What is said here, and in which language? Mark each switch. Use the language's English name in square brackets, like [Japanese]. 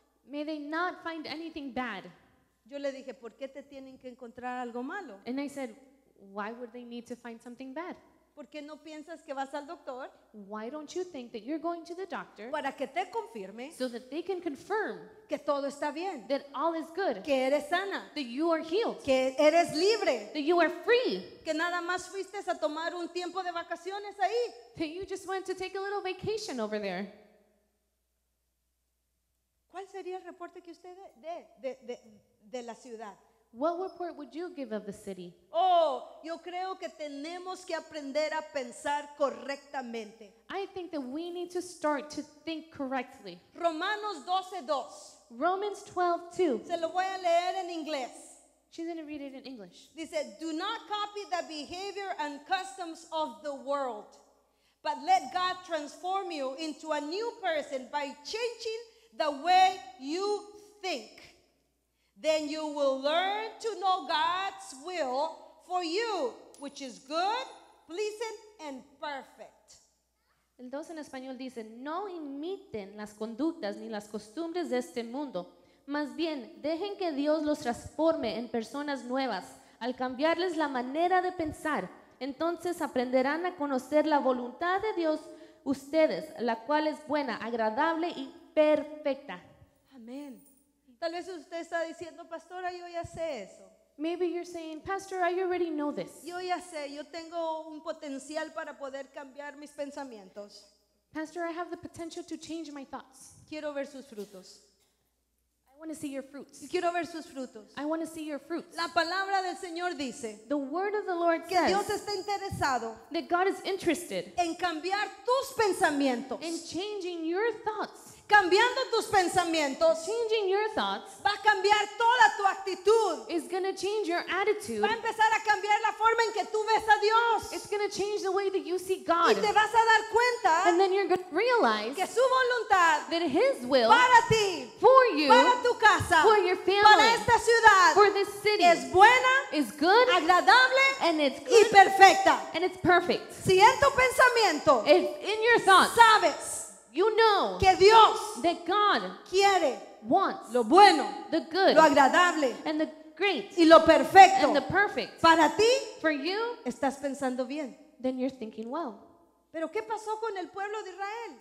[English] May they not find anything bad. [Spanish] Yo le dije, ¿por qué te tienen que encontrar algo malo? [English] And I said, why would they need to find something bad? [Spanish] ¿Por qué no piensas que vas al doctor? [English] Why don't you think that you're going to the doctor? [Spanish] Para que te confirme. [English] So that they can confirm. [Spanish] Que todo está bien. [English] That all is good. [Spanish] Que eres sana. [English] That you are healed. [Spanish] Que eres libre. [English] That you are free. [Spanish] Que nada más fuiste a tomar un tiempo de vacaciones ahí. [English] That you just went to take a little vacation over there. [Spanish] ¿Cuál sería el reporte que usted de la ciudad? [English] What report would you give of the city? [Spanish] Oh, yo creo que tenemos que aprender a pensar correctamente. [English] I think that we need to start to think correctly. [Spanish] Romanos 12:2. [English] Romans 12:2. [Spanish] Se lo voy a leer en inglés. [English] She's going to read it in English. Dice, do not copy the behavior and customs of the world, but let God transform you into a new person by changing the way you think. Then you will learn to know God's will for you, which is good, pleasing, and perfect. [Spanish] El 2 en español dice, no imiten las conductas ni las costumbres de este mundo. Más bien, dejen que Dios los transforme en personas nuevas. Al cambiarles la manera de pensar, entonces aprenderán a conocer la voluntad de Dios ustedes, la cual es buena, agradable y perfecta. Amén. Tal vez usted está diciendo, pastora, yo ya sé eso. [English] Maybe you're saying, pastor, I already know this. [Spanish] Yo ya sé, yo tengo un potencial para poder cambiar mis pensamientos. [English] Pastor, I have the potential to change my thoughts. [Spanish] Quiero ver sus frutos. [English] I want to see your fruits. [Spanish] Quiero ver sus frutos. [English] I want to see your fruits. [Spanish] La palabra del Señor dice, [English] the word of the Lord [Spanish] que [English] says, [Spanish] Dios está interesado, [English] that God is interested, [Spanish] en cambiar tus pensamientos, [English] in changing your thoughts. [Spanish] Cambiando tus pensamientos, [English] changing your thoughts, [Spanish] va a cambiar toda tu actitud. [English] Is going to change your attitude. [Spanish] Va a empezar a cambiar la forma en que tú ves a Dios. [English] It's going to change the way that you see God. [Spanish] Y te vas a dar cuenta, [English] and then you're going to realize, [Spanish] que su voluntad, [English] that His will, [Spanish] para ti, [English] for you, [Spanish] para tu casa, [English] for your family, [Spanish] para esta ciudad, [English] for this city, [Spanish] es buena, [English] is good, [Spanish] agradable, [English] and it's good, [Spanish] y perfecta, [English] and it's perfect. [Spanish] Si en tu pensamiento, [English] if in your thoughts, [Spanish] sabes. [English] You know [Spanish] que Dios [English] that God [Spanish] quiere [English] wants [Spanish] lo bueno, [English] the good, [Spanish] lo agradable, [English] and the great, [Spanish] y lo perfecto, [English] and the perfect. [Spanish] Para ti, [English] for you, [Spanish] estás pensando bien. [English] Then you're thinking well. [Spanish] Pero ¿qué pasó con el pueblo de Israel?